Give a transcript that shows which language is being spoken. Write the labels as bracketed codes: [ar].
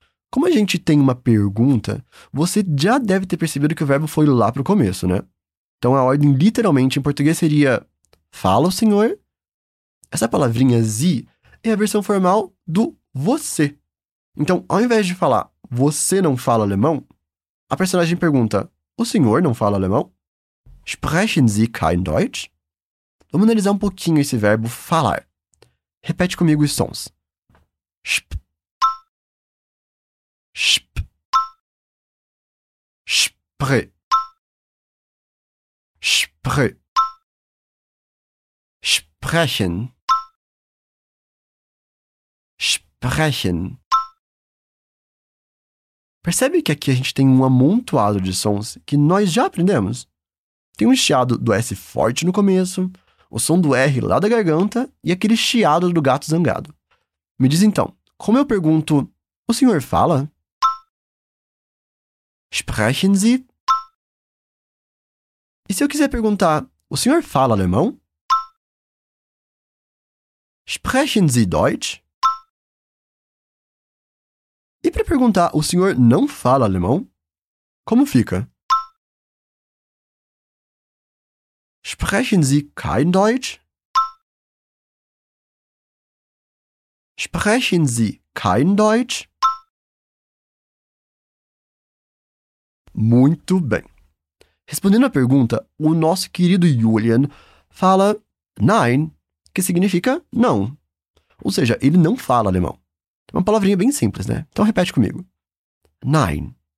[pt] Como a gente tem uma pergunta, você já deve ter percebido que o verbo foi lá para o começo, né? Então a ordem literalmente em português seria, fala o senhor? Essa palavrinha Sie é a versão formal do você. Então, ao invés de falar, você não fala alemão, a personagem pergunta, o senhor não fala alemão? [de] Sprechen Sie kein Deutsch? [pt] Vamos analisar um pouquinho esse verbo falar. Repete comigo os sons. Sp. [de] Sp. Spre. Spre. Sprechen. Sprechen. [pt] Percebe que aqui a gente tem um amontoado de sons que nós já aprendemos? Tem um chiado do S forte no começo, o som do R lá da garganta e aquele chiado do gato zangado. Me diz então, como eu pergunto, o senhor fala? [de] Sprechen Sie? [pt] E se eu quiser perguntar, o senhor fala alemão? [de] Sprechen Sie Deutsch? [pt] E para perguntar, o senhor não fala alemão? Como fica? [de] Sprechen Sie kein Deutsch? Sprechen Sie kein Deutsch? [pt] Muito bem. Respondendo à pergunta, o nosso querido Julian fala nein, que significa não. Ou seja, ele não fala alemão. É uma palavrinha bem simples, né? Então, repete comigo. Nein.